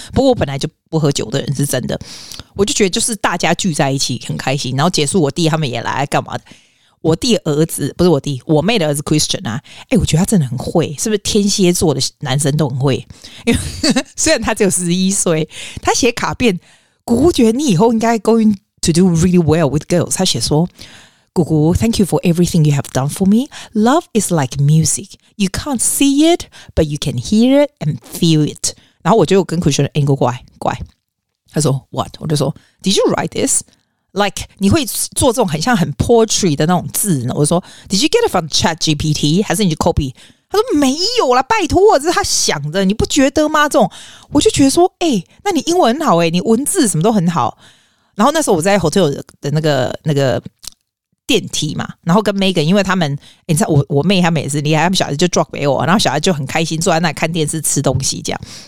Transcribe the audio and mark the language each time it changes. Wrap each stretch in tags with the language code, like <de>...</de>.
<zh>不过我本来就不喝酒的人，是真的。我就觉得就是大家聚在一起很开心，然后结束我弟他们也来干嘛？我弟儿子不是我弟，我妹的儿子 Christian 啊，我觉得他真的很会，是不是天蝎座的男生都很会？因为虽然他只有11岁，他写卡片，姑姑觉得你以后应该</zh> <en>going to do really well with girls。</en> <zh>他写说，姑姑</zh> <en>，Thank you for everything you have done for me. Love is like music. You can't see it, but you can hear it and feel it.</en> <zh>然后我就跟 Christian 说，乖乖。</zh> <en>他说 What？</en> <zh>我就说</zh> <en>Did you write this？</en> <zh>Like 你会做这种很像很 poetry 的那种字呢？我就说</zh> <en>Did you get it from ChatGPT？</en> <zh>还是你去 copy？他说没有啦，拜托，这是他想的，你不觉得吗？这种我就觉得说那你英文很好你文字什么都很好。然后那时候我在 hotel 的那个电梯嘛，然后跟 Megan， 因为他们你知道我妹他们也是厉害，他们小孩就 drop 给我，然后小孩就很开心坐在那里看电视吃东西这样。</zh>